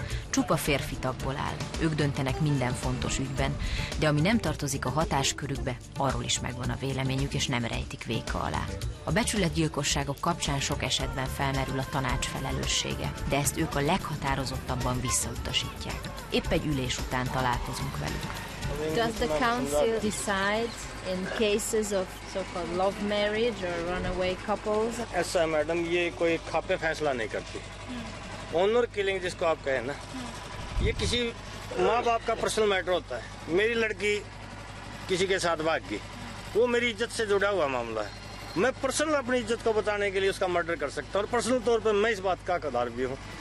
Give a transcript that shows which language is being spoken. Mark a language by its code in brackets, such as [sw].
[hu] Csupa férfi tagból áll, ők döntenek minden fontos ügyben, de ami nem tartozik a hatáskörükbe, arról is megvan a véleményük, és nem rejtik véka alá. A becsületgyilkosságok kapcsán sok esetben felmerül a tanács felelőssége, de ezt ők a leghatározottabban visszautasítják. Épp egy ülés után találkozunk velük. [en] Does the council decide in cases of so-called love marriage or runaway couples? [hi] ऐसा madam, ये कोई खापे फैसला नहीं करती। Honour killing जिसको आप कहें ना, ये किसी माँ बाप का पर्सनल मैटर होता है। मेरी लड़की किसी के साथ भाग गई, वो मेरी इज्जत से जुड़ा हुआ मामला है। मैं पर्सनल अपनी इज्जत को बचाने के लिए उसका मर्डर कर सकता हूँ, और पर्सनल तौर पे मैं इस बात का हकदार भी हूँ।